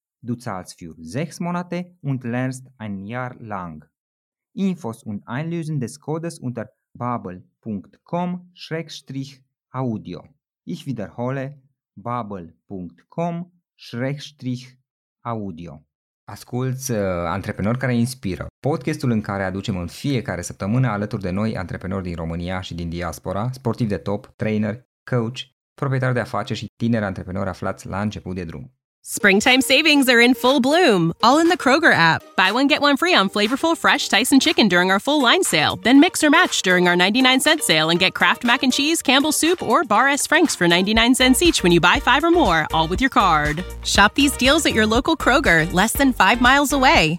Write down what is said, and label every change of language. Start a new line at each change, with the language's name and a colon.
German: Du zahlst für 6 Monate und lernst ein Jahr lang. Infos und Einlösen des Codes unter babbel.com/audio. Ich wiederhole, babbel.com/audio.
Romanian: Asculți Antreprenori care inspiră, podcastul în care aducem în fiecare săptămână alături de noi antreprenori din România și din diaspora, sportivi de top, trainer, coach, proprietari de afaceri și tineri antreprenori aflați la început de drum.
English: Springtime savings are in full bloom, all in the Kroger app. Buy one, get one free on flavorful fresh Tyson chicken during our full line sale. Then mix or match during our 99 cent sale and get Kraft mac and cheese, Campbell's soup, or Bar S Franks for 99 cents each when you buy 5 or more, all with your card. Shop these deals at your local Kroger, less than 5 miles away.